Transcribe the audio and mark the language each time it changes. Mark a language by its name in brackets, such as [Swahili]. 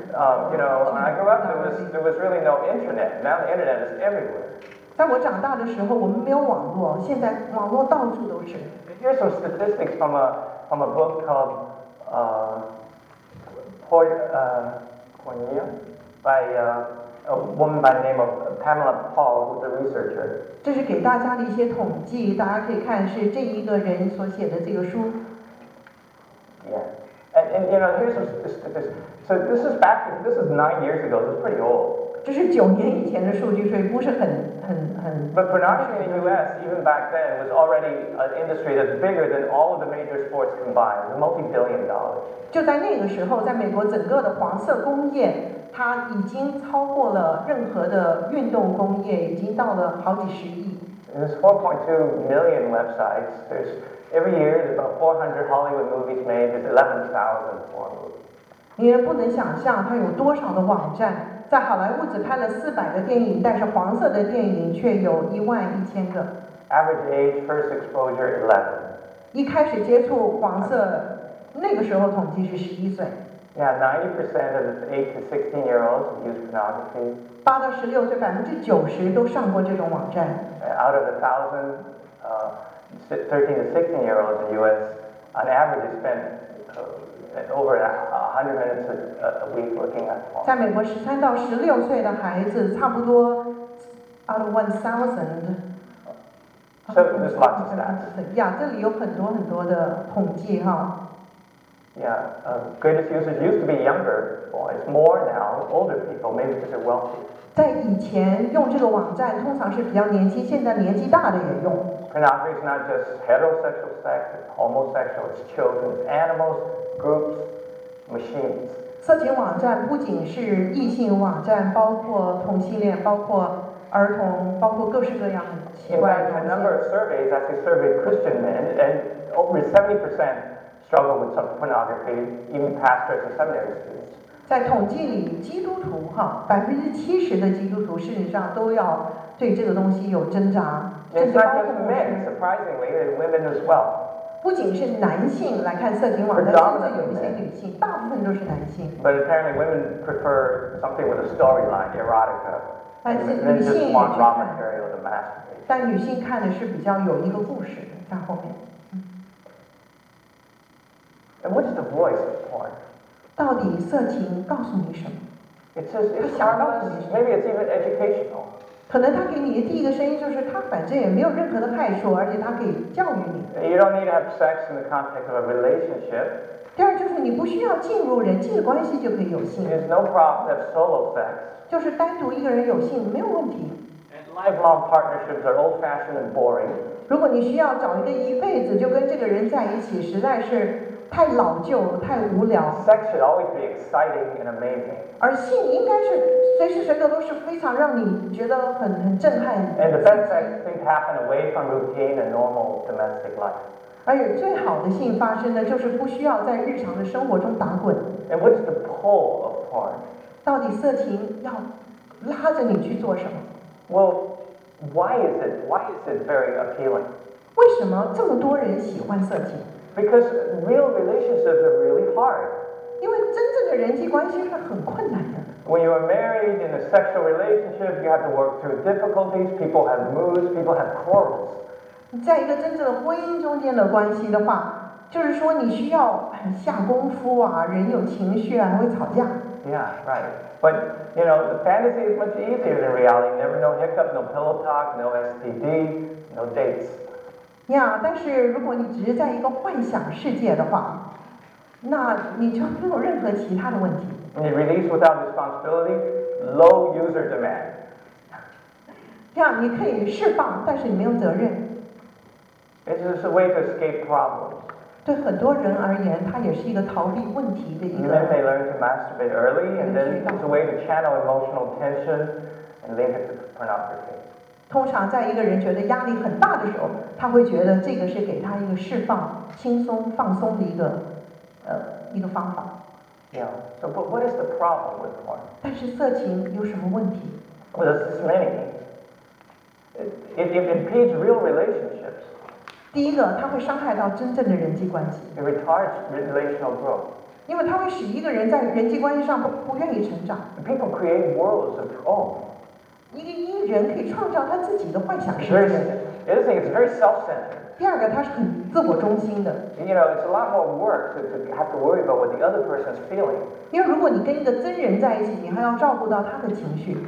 [English] You know, when I grew up, there was really no internet. Now the internet is everywhere. [Chinese] 在我长大的时候，我们没有网络，现在网络到处都是。 [English] Here's some statistics from a book called Pornia by a woman by the name of Pamela Paul, who's a researcher. [Chinese] 这是给大家的一些统计，大家可以看是这一个人所写的这个书。 [English] Yeah, and you know, here's some statistics. So this is 9 years ago. This is pretty old. [Chinese] 这是9年以前的数据，所以不是很 [English] But pornography in the US, even back then, was already an industry that's bigger than all of the major sports combined, multi-billion dollars. [Chinese] 就在那个时候，在美国整个的黄色工业，它已经超过了任何的运动工业，已经到了好几十亿。 [English] There's 4.2 million websites. There's every year there's about 400 Hollywood movies made. There's 11,000 porn movies. [Chinese] 你不能想象它有多少的网站，在好莱坞只拍了400个电影，但是黄色的电影却有11,000个。 [English] Average age first exposure 11. [Chinese] 一开始接触黄色，那个时候统计是11岁。 [English] Yeah, 90% of the 8 to 16-year-olds use pornography. [Chinese] 八到十六岁，90%都上过这种网站。 [English] Out of 1,000, 13 to 16-year-olds in the U.S. on average spend over 100 minutes a week looking at porn. [Chinese] 在美国，13到16岁的孩子，差不多 [English] out of 1,000. So there's lots of stats. Yeah, [Chinese] 这里有很多很多的统计哈。 [English] Yeah, greatest users used to be younger boys, more now older people, maybe because they're wealthy. [Chinese] 在以前用这个网站通常是比较年轻，现在年纪大的也用。 [English] Pornography is not just heterosexual sex, homosexual, it's children, animals, groups, machines. [Chinese] 色情网站不仅是异性网站，包括同性恋，包括儿童，包括各式各样的奇怪的东西。 [English] In fact, a number of surveys actually surveyed Christian men, and over 70%struggle with some pornography, even pastors and seminary students. [Chinese] 在统计里，基督徒哈，70%的基督徒事实上都要对这个东西有挣扎。 [English] It's not just men, surprisingly, and women as well. [Chinese] 不仅是男性来看色情网站，甚至有一些女性，大部分都是男性。 [English] But apparently, women prefer something with a storyline, erotica. [Chinese] 但是女性也去看。但女性看的是比较有一个故事的在后面。 [English] And what's the voice of porn? [Chinese] 到底色情告诉你什么？ [English] It says it's harmless. Maybe it's even educational. [Chinese] 可能他给你的第一个声音就是他反正也没有任何的害处，而且他可以教育你。 [English] You don't need to have sex in the context of a relationship. [Chinese] 第二就是你不需要进入人际关系就可以有性。 [English] There's no problem to have solo sex. [Chinese] 就是单独一个人有性没有问题。 [English] And lifelong partnerships are old-fashioned and boring. [Chinese] 如果你需要找一个一辈子就跟这个人在一起，实在是。太老旧，太无聊。 [English] Sex should always be exciting and amazing. [Chinese] 而性应该是随时随刻都是非常让你觉得很震撼。 [English] And the best sex things happen away from routine and normal domestic life. [Chinese] 而且最好的性发生呢，就是不需要在日常的生活中打滚。 [English] And what's the pull of porn? [Chinese] 到底色情要拉着你去做什么 [English] ？Well, why is it? Why is it very appealing? [Chinese] 为什么这么多人喜欢色情？ [English] Because real relationships are really hard. [Chinese] 因为真正的人际关系是很困难的。 [English] When you are married in a sexual relationship, you have to work through difficulties. People have moods. People have quarrels. [Chinese] 在一个真正的婚姻中间的关系的话，就是说你需要下功夫啊，人有情绪啊，会吵架。 [English] Yeah, right. But you know, the fantasy is much easier than reality. Never no hiccup, no pillow talk, no STD, no dates. Yeah, [Chinese] 但是如果你只是在一个幻想世界的话，那你就没有任何其他的问题。你 [English] release without responsibility, low user demand. Yeah, [Chinese] 你可以释放，但是你没有责任。 [English] It's just a way to escape problems. [Chinese] 对很多人而言，它也是一个逃避问题的一个。 [English] And then they learn to masturbate early, and then it's a way to channel emotional tension and link it to pornography. [Chinese] 通常在一个人觉得压力很大的时候，他会觉得这个是给他一个释放、轻松、放松的一个方法。 [English] Yeah. So, but what is the problem with porn? [Chinese] 但是色情有什么问题 [English] ？Well, there's many. It impedes real relationships. [Chinese] 第一个，它会伤害到真正的人际关系。 [English] It retards relational growth. [Chinese] 因为它会使一个人在人际关系上不愿意成长。 [English] People create worlds of their own. [Chinese] 一人可以创造他自己的幻想世界。 [English] The other thing is very self-centered. [Chinese] 第二个，他是很自我中心的。 [English] You know, it's a lot more work to have to worry about what the other person is feeling. [Chinese] 因为如果你跟一个真人在一起，你还要照顾到他的情绪。